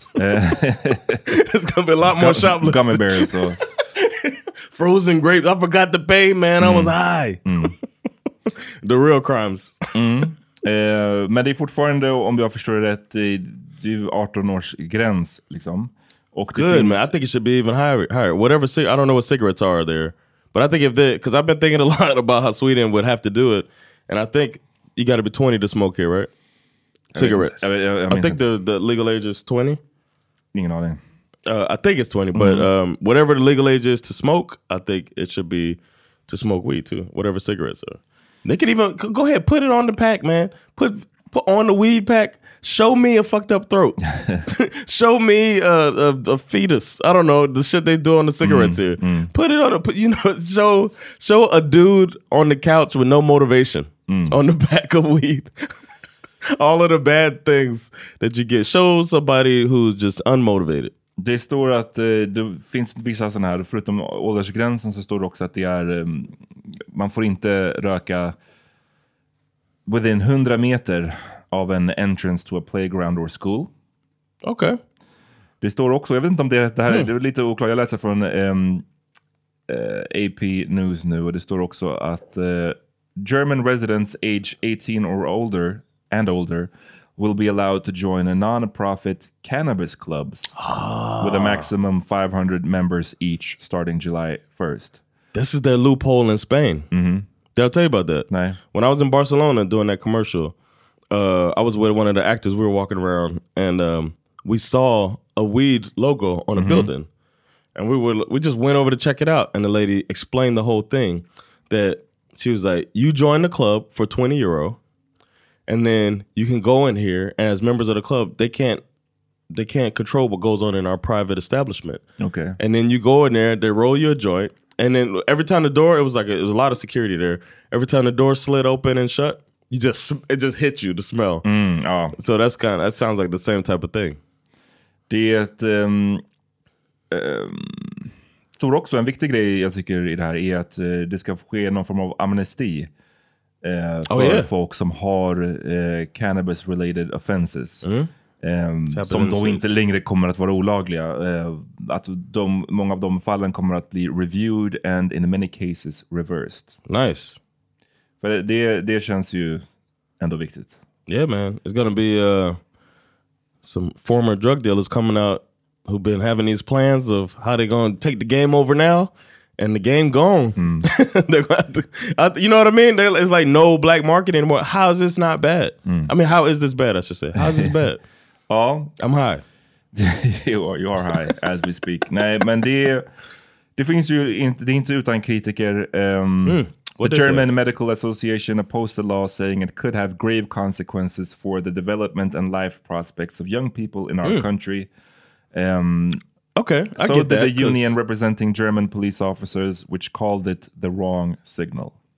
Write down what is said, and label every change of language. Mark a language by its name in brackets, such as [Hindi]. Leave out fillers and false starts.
[English] It's gonna be a lot more shoplifting. Gummy bears, so. Frozen grapes. I forgot to pay, man. Mm. I was high. Mm. The real crimes. Mm. [Swedish] Men det är fortfarande, om jag förstår det rätt, det är 18 års gräns, liksom. [English] Och good, man. I think it should be even higher. Whatever, I don't know what cigarettes are there. But I think if they, because I've been thinking a lot about how Sweden would have to do it. And I think you got to be 20 to smoke here, right? Cigarettes. I mean, I think the legal age is 20. [Swedish] Ingen aning. [English] I think it's 20, but whatever the legal age is to smoke, I think it should be to smoke weed too, whatever cigarettes are. They could even, go ahead, put it on the pack, man. Put on the weed pack. Show me a fucked up throat. Show me a fetus. I don't know the shit they do on the cigarettes here. Mm. Put it on a, you know, show a dude on the couch with no motivation on the back of weed. All of the bad things that you get. Show somebody who's just unmotivated. [Swedish] Det står att det finns vissa sådana här, förutom åldersgränsen så står det också att det är, man får inte röka [English] within 100 meter [Swedish] av en [English] entrance to a playground or school. [Swedish] Okej. [English] Okay. [Swedish] Det står också, jag vet inte om det här det är lite oklart, jag läser från AP News nu, och det står också att [English] German residents age 18 or older and older will be allowed to join a non-profit cannabis clubs with a maximum 500 members each starting July 1st. This is their loophole in Spain. Mm-hmm. Did I tell you about that? No. When I was in Barcelona doing that commercial, I was with one of the actors. We were walking around, and we saw a weed logo on a building. And we just went over to check it out, and the lady explained the whole thing. That she was like, you join the club for 20 euro, and then you can go in here, and as members of the club, they can't control what goes on in our private establishment. Okay. And then you go in there, they roll you a joint, and then every time the door, it was a lot of security there. Every time the door slid open and shut, it just hit you, the smell. So that's kind of, that sounds like the same type of thing. [Swedish] Det står också, en viktig grej jag tycker i det här är att det ska ske någon form av amnesti. Folk som har [English] cannabis related offenses [Swedish] som då inte längre kommer att vara olagliga, att de, många av de fallen kommer att bli [English] reviewed and in many cases reversed. Nice. [Swedish] För det känns ju ändå viktigt. [English] Yeah, man, it's gonna be some former drug dealers coming out who've been having these plans of how they're gonna take the game over now. And the game gone. You know what I mean? It's like no black market anymore. How is this not bad? Mm. I mean, how is this bad, I should say. How is this bad? Oh, I'm high. you are high as we speak. [Swedish] Nej, men det finns ju inte, det är inte utan kritiker. [English] The German Medical Association opposed the law, saying it could have grave consequences for the development and life prospects of young people in our country. Okay, I so get that. So did the union representing German police officers, which called it the wrong signal.